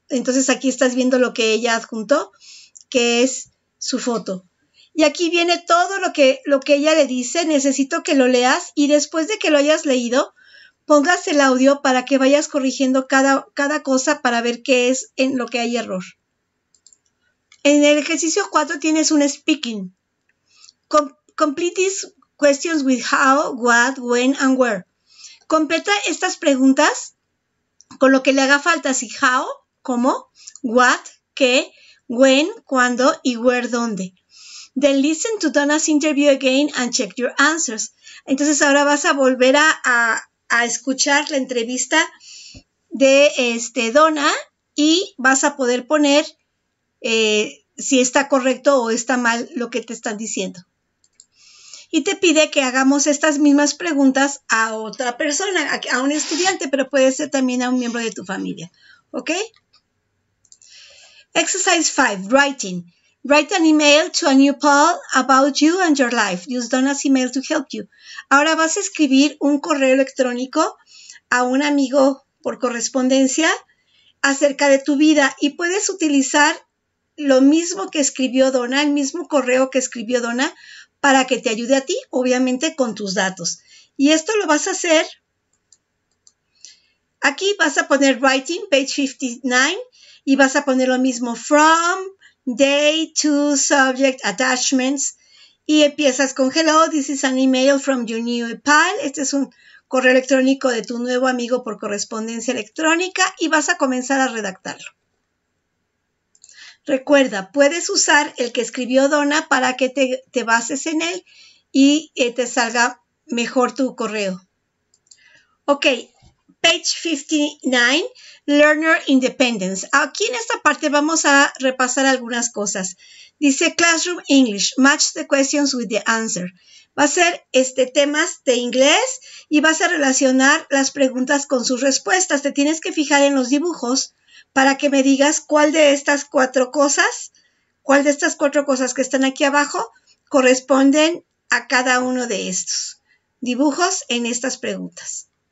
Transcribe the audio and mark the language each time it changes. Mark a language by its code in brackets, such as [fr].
[es] Entonces, aquí estás viendo lo que ella adjuntó, que es su foto. Y aquí viene todo lo que ella le dice. Necesito que lo leas y después de que lo hayas leído, pongas el audio para que vayas corrigiendo cada cosa para ver qué es en lo que hay error. En el ejercicio 4 tienes un speaking. [en] Complete these questions with how, what, when and where. [es] Completa estas preguntas con lo que le haga falta. Así, how, cómo, what, qué, when, cuándo y where, dónde. [en] Then listen to Donna's interview again and check your answers. [es] Entonces ahora vas a volver a escuchar la entrevista de Donna y vas a poder poner si está correcto o está mal lo que te están diciendo. y te pide que hagamos estas mismas preguntas a otra persona, a un estudiante, pero puede ser también a un miembro de tu familia. ¿Ok? [en] Exercise 5, writing. Write an email to a new pal about you and your life. Use Donna's email to help you. [es] Ahora vas a escribir un correo electrónico a un amigo por correspondencia acerca de tu vida y puedes utilizar lo mismo que escribió Donna, el mismo correo que escribió Donna, para que te ayude a ti, obviamente, con tus datos. Y esto lo vas a hacer. Aquí vas a poner [en] writing, page 59, [es] y vas a poner lo mismo, [en] from, day, to, subject, attachments, [es] y empiezas con [en] hello, this is an email from your new pal. [es] Este es un correo electrónico de tu nuevo amigo por correspondencia electrónica, y vas a comenzar a redactarlo. Recuerda, puedes usar el que escribió Donna para que te bases en él y te salga mejor tu correo. [en] Ok, page 59, Learner Independence. [es] Aquí en esta parte vamos a repasar algunas cosas. Dice [en] Classroom English, match the questions with the answer. [es] Va a ser temas de inglés y vas a relacionar las preguntas con sus respuestas. Te tienes que fijar en los dibujos para que me digas cuál de estas cuatro cosas que están aquí abajo corresponden a cada uno de estos dibujos en estas preguntas.